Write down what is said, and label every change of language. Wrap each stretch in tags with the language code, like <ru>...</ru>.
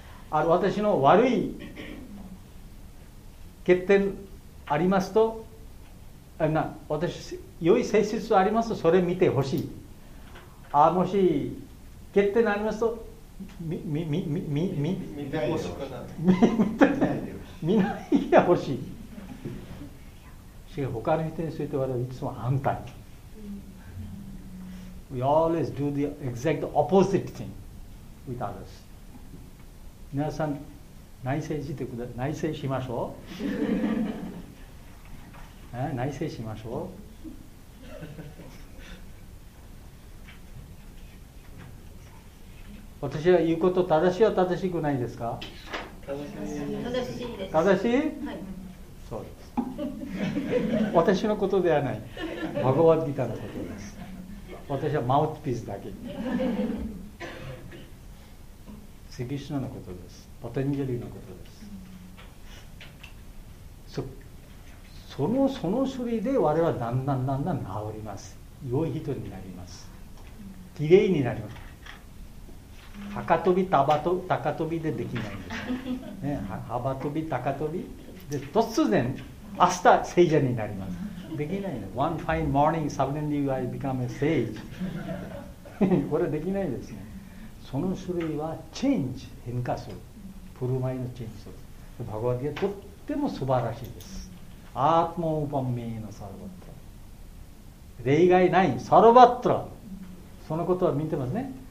<ja>あ、私の悪い欠点ありますと、な私良い性質ありますとそれ見てほしい。あもし欠点ありますと見ないでほしい。他の人について我々はいつも反対。</ja> <en>We always do the exact opposite thing with others.</en> <ja>皆さん内省してください。内省しましょう。内省しましょう。私は言うこと正しいは正しくないですか。正しいです。そうです。私のことではない、バガヴァッド・ギーターのことです。私はマウスピースだけ。シリシナのことです。パタンジェリのことです。その処理で我々はだんだん治ります。良い人になります。綺麗になります。高飛びでできないんです、ね。幅飛び、高飛び。で、突然、明日、聖者になります。できないね。</ja> <en>One fine morning, suddenly you become a sage.</en> <ja>これはできないですね。その処理は、チェンジ、変化する。振る舞いのチェンジする。バガヴァッド・ギーターはとっても素晴らしいです。アートモーパンメイのサロバット例外ない、サロバットそのことは見てますね。</ja>